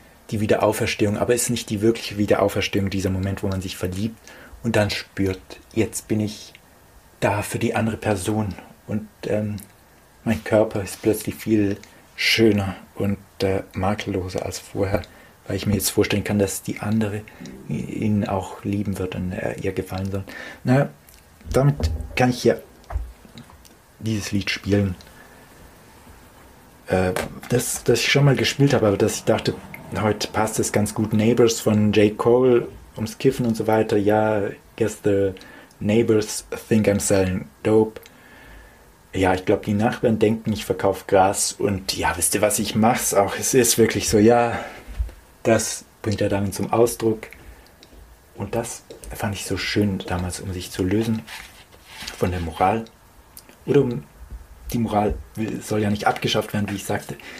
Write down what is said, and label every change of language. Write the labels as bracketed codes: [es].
[de] Die Wiederauferstehung, aber ist nicht die wirkliche Wiederauferstehung, dieser Moment, wo man sich verliebt und dann spürt, jetzt bin ich da für die andere Person und mein Körper ist plötzlich viel schöner und makelloser als vorher, weil ich mir jetzt vorstellen kann, dass die andere ihn auch lieben wird und ihr gefallen soll. Naja, damit kann ich hier dieses Lied spielen. Das ich schon mal gespielt habe, aber dass ich dachte, heute passt es ganz gut. Neighbors von J. Cole, ums Kiffen und so weiter. [en] Ja, guess the neighbors think I'm selling dope. [de] Ja, ich glaube, die Nachbarn denken, ich verkaufe Gras. Und ja, wisst ihr was, ich mach's auch. Es ist wirklich so, ja, das bringt er dann zum Ausdruck. Und das fand ich so schön damals, um sich zu lösen von der Moral. Oder um die Moral soll ja nicht abgeschafft werden, wie ich sagte.